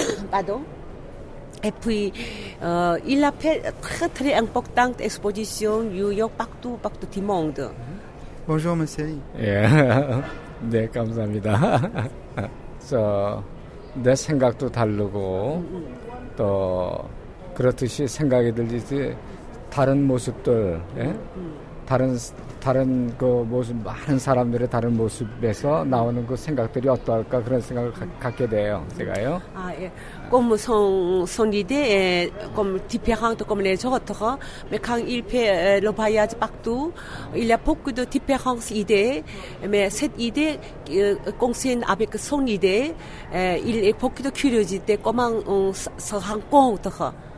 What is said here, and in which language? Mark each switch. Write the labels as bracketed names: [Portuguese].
[French] pardon. Et puis, il a fait très, très importante exposition à New York, partout du monde. Bonjour, monsieur. [English] Yeah. [Korean] 네, 감사합니다. 저, 내 생각도 다르고, 또, 그렇듯이 생각이 들듯이, 다른 모습들, 예? 다른 그 모습, 많은 사람들의 다른 모습에서 나오는 그 생각들이 어떨까, 그런 생각을 갖게 돼요, 제가요. 아, 예. [French] Comme son idée est comme différente comme les autres, hein? Mais quand il fait le voyage partout, il y a beaucoup de différentes idées, mais cette idée concerne avec son idée, il y a beaucoup de curiosité, comment on se rencontre.